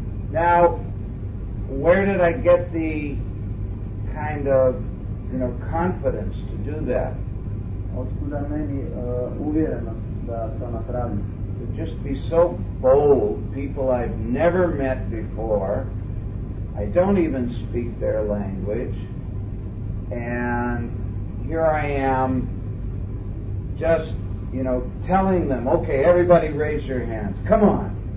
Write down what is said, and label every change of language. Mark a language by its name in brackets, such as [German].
[English] Now, where did I get the kind of, you know, confidence to do that? [Croatian] Otkuda meni uvjerenost da to napravim? [English] To just be so bold, people I've never met before, I don't even speak their language, and here I am just, you know, telling them, okay, everybody raise your hands, come on.